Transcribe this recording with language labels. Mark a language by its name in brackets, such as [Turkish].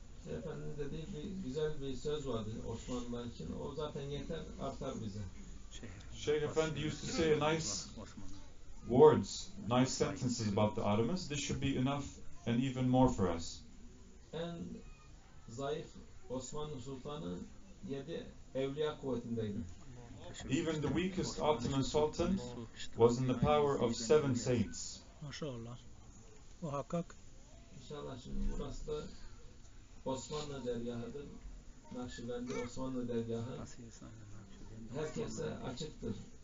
[Turkish] Efendim dedi ki güzel bir söz vardı Osmanlılar için. O zaten yeter, artar bize. [English] Şeyh Efendi used to say nice words, nice sentences about the Ottomans. This should be enough and even more for us. [Turkish] En zayıf Osmanlı Sultanı 7 evliya kuvvetindeydi. [English] Even the weakest Ottoman Sultan was in the power of 7 saints. [Turkish] Maşallah. Muhakkak. İnşallah şimdi burası da Osmanlı dergahıdır. Nakşibendi Osmanlı dergahı. Herkese açıktır.